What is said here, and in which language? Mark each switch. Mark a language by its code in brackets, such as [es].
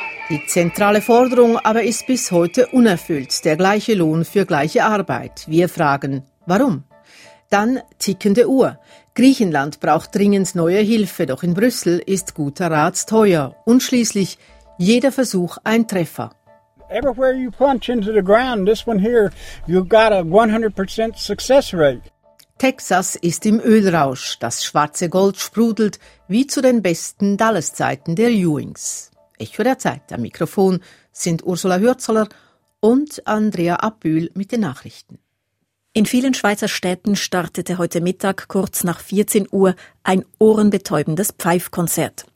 [de] Die zentrale Forderung aber ist bis heute unerfüllt, der gleiche Lohn für gleiche Arbeit. Wir fragen, warum? Dann tickende Uhr. Griechenland braucht dringend neue Hilfe, doch in Brüssel ist guter Rat teuer. Und schließlich, jeder Versuch ein Treffer. [en] Everywhere you punch into the ground, this one here, you've got a 100% success rate. [de] Texas ist im Ölrausch, das schwarze Gold sprudelt, wie zu den besten Dallas-Zeiten der Ewings. Echo der Zeit, am Mikrofon sind Ursula Hürzler und Andrea Abbühl mit den Nachrichten. In vielen Schweizer Städten startete heute Mittag, kurz nach 14 Uhr, ein ohrenbetäubendes Pfeifkonzert.